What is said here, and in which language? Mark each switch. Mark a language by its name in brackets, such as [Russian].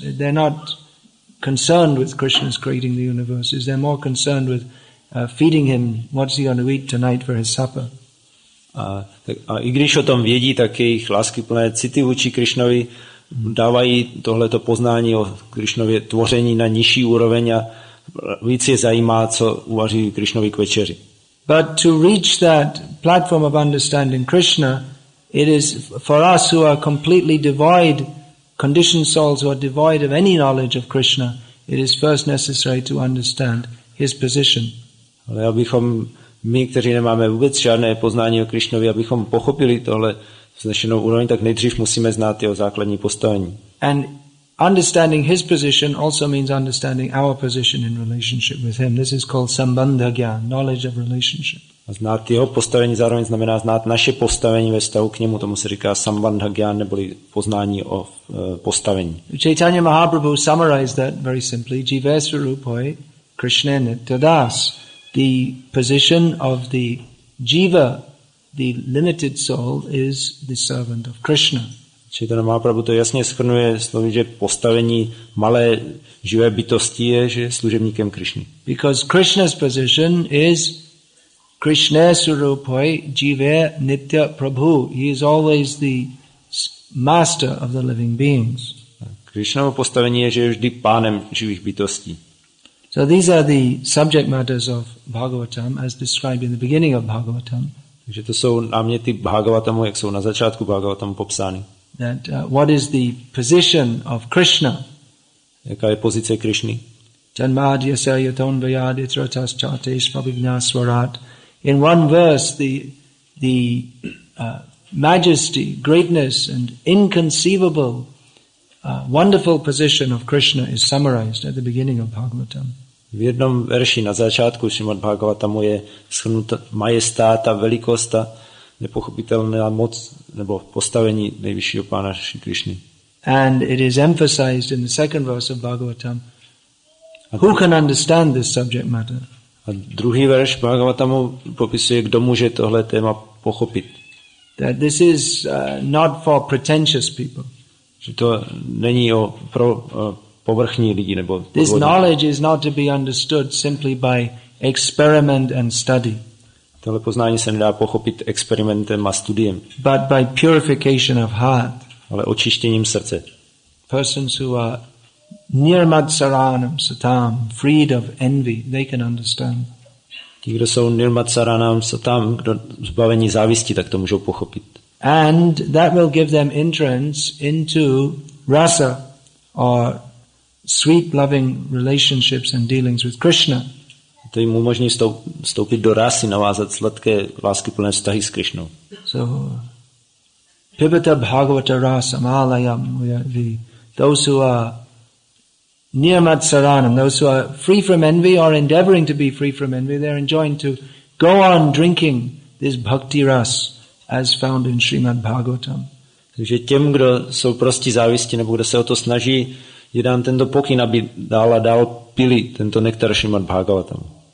[English] They're not concerned with Krishna's creating the universe. They're more concerned with feeding him. What's he going to eat tonight for his supper? [Czech] A i když o tom vědí, tak jejich láskyplné city vůči Krishnovi dávají tohleto poznání o Krishnově tvoření na nižší úroveň a víc je zajímá, co uvaří Krishnovi k večeři. [English] But to reach that platform of understanding Krishna, it is for us who are completely devoid, conditioned souls who are devoid of any knowledge of Krishna, it is first necessary to understand his position. [Czech] Ale abychom my, kteří nemáme vůbec žádné poznání o Krishnovi, abychom pochopili tohle vznešenou úroveň, tak nejdřív musíme znát jeho základní postavení. [English] And understanding his position also means understanding our position in relationship with him. This is called sambandha jnana, knowledge of relationship. [Czech] A znát jeho postavení zároveň znamená znát naše postavení ve vztahu k němu, tomu se říká sambandha jnana, neboli poznání o postavení. [English] Chaitanya Mahaprabhu summarized that very simply, [Sanskrit] jivesvarupoi krishne nityadas, [English] the position of the jiva, the limited soul, is the servant of Krishna. [Czech] Chaitanya Mahaprabhu to jasně shrnuje slovy, že postavení malé živé bytosti je, že je služebníkem Krishny. [English] Because Krishna's position is [Sanskrit] Krishna Surupoi Jive Nitya Prabhu. [English] He is always the master of the living beings. [Czech] Krishnovo postavení je, že je vždy pánem živých bytostí. [English] So these are the subject matters of Bhagavatam as described in the beginning of Bhagavatam. [Czech] Takže to jsou náměty Bhagavatamu, jak jsou na začátku Bhagavatamu popsány. [English] That what is the position of Krishna? [Czech] Jaká je pozice Krishny? [Sanskrit] Janmadhyasayatonvayadithratashchateshvabhignaswarat. [English] In one verse, the majesty, greatness, and inconceivable, wonderful position of Krishna is summarized at the beginning of Bhagavatam. [Czech] V jednom verši na začátku Srimad Bhagavatam je shrnuta majestáta, velikosta, nepochopitelná moc nebo postavení nejvyššího pána Šri Krišny. [English] And it is emphasized in the second verse of Bhagavatam. Who can understand this subject matter? [Czech] A druhý verš Bhagavatamu popisuje, kdo může tohle téma pochopit. [English] That this is not for pretentious people. [Czech] Že to není o pro povrchní lidi nebo podvodní. [English] This knowledge is not to be understood simply by experiment and study. [Czech] Tohle poznání se nedá pochopit experimentem a studiem. [English] But by purification of heart. [Czech] Ale očištěním srdce. [English] Persons who are [Sanskrit] nirmad saranam satam, [English] freed of envy, they can understand. [Czech] Ti, kdo jsou [Sanskrit] nirmad saranam satam, [Czech] kdo zbavení závisti, tak to můžou pochopit. [English] And that will give them entrance into rasa or sweet loving relationships and dealings with Krishna. [Czech] To jim umožní vstoupit do rasy, navázat sladké lásky plné vztahy s Krišnou. [English] So, [Sanskrit] pibata bhagavata rasa malayam, [English] those who are [Sanskrit] niyamat saranam, [English] those who are free from envy or endeavoring to be free from envy, they are enjoined to go on drinking this bhakti ras as found in Srimad Bhagavatam. [Czech] Takže těm, kdo jsou prostí závisti nebo kdo se o to snaží, je dán tento pokyn, aby dál a dál pili tento nektar Srimad Bhagavatam.